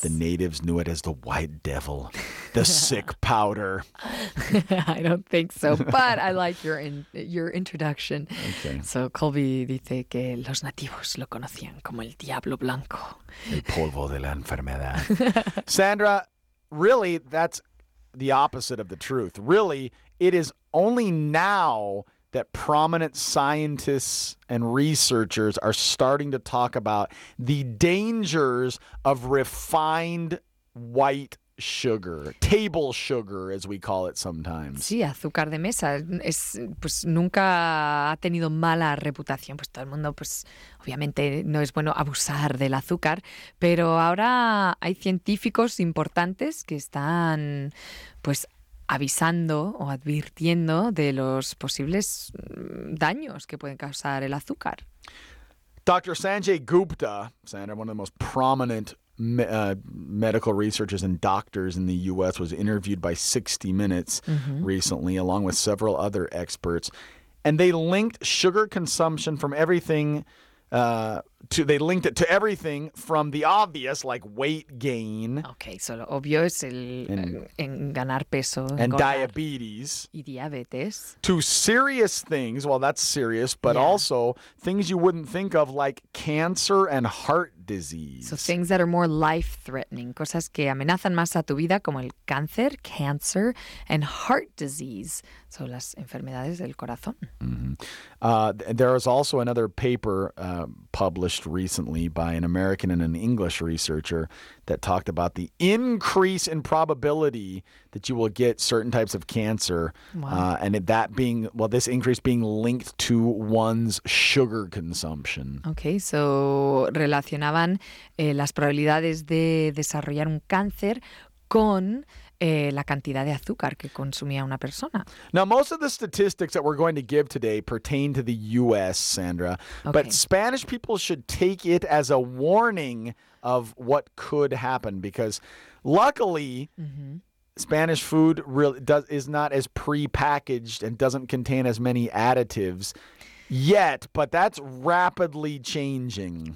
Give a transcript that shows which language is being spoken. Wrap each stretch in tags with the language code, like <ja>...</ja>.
<en>The natives knew it as the white devil, the sick powder. I don't think so, but I like your introduction. Okay.</en> <es>So Colby dice que los nativos lo conocían como el diablo blanco. El polvo de la enfermedad.</es> <en>Sandra, really, that's the opposite of the truth. Really, it is only now that prominent scientists and researchers are starting to talk about the dangers of refined white sugar, table sugar, as we call it sometimes.</en> <es>Sí, azúcar de mesa. Pues nunca ha tenido mala reputación. Pues todo el mundo, pues obviamente no es bueno abusar del azúcar. Pero ahora hay científicos importantes que están, pues, avisando o advirtiendo de los posibles daños que pueden causar el azúcar.</es> <en>Dr. Sanjay Gupta, Sandra, one of the most prominent medical researchers and doctors in the U.S., was interviewed by 60 Minutes recently, along with several other experts. And they linked sugar consumption from everything they linked it to everything from the obvious, like weight gain.</en> <es>Okay, so lo obvio es en ganar peso.</es> <en>And diabetes.</en> <es>Y diabetes.</es> <en>To serious things, well, that's serious, but also things you wouldn't think of, like cancer and heart disease. So things that are more life-threatening,</en> <es>cosas que amenazan más a tu vida, como el cáncer,</es> <en>cancer, and heart disease.</en> <es>So las enfermedades del corazón.</es> <en>There is also another paper published recently by an American and an English researcher that talked about the increase in probability that you will get certain types of cancer. Wow. And that being, well, this increase being linked to one's sugar consumption.</en> <es>Okay, so relacionaban las probabilidades de desarrollar un cáncer con la cantidad de azúcar que consumía una persona.</es> <en>Now, most of the statistics that we're going to give today pertain to the U.S., Sandra. Okay. But Spanish people should take it as a warning of what could happen, because luckily, Spanish food is not as prepackaged and doesn't contain as many additives yet, but that's rapidly changing.</en>